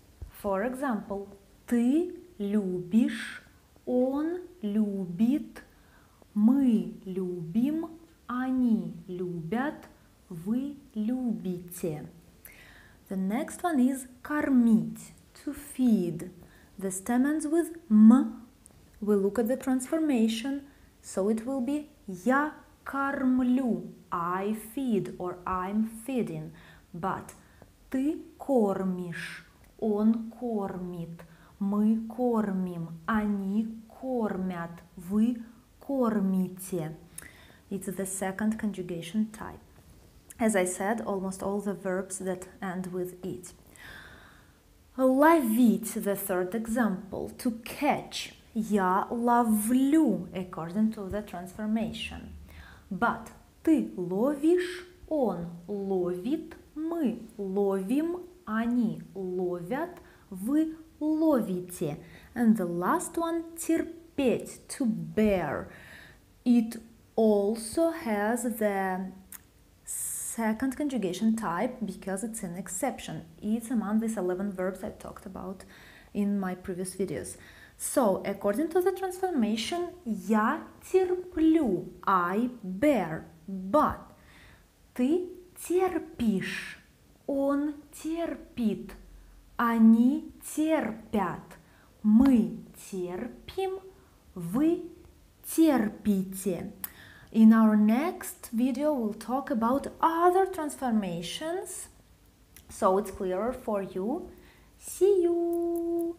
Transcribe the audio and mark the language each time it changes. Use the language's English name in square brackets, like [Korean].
[English] For example, [Russian] ты любишь, он любит, мы любим, они любят, вы любите. [English] The next one is кормить, to feed. The stem ends with м. We look at the transformation, so it will be [Russian] я кормлю, [English] I feed, or I'm feeding. But [Russian] ты кормишь, он кормит, мы кормим, они кормят, вы кормите. [English] It's the second conjugation type. As I said, almost all the verbs that end with it. Ловить, the third example, to catch. [Russian] Я ловлю, [English] according to the transformation. But [Russian] ты ловишь, он ловит, мы ловим, они ловят, вы ловите. [English] And the last one, терпеть, to bear. It also has the second conjugation type because it's an exception. It's among these 11 verbs I talked about in my previous videos. So, according to the transformation, [Russian] я терплю, [English] I bear. But [Russian] ты терпишь, он терпит, они терпят, мы терпим, вы терпите. [English] In our next video, we'll talk about other transformations, so it's clearer for you. See you!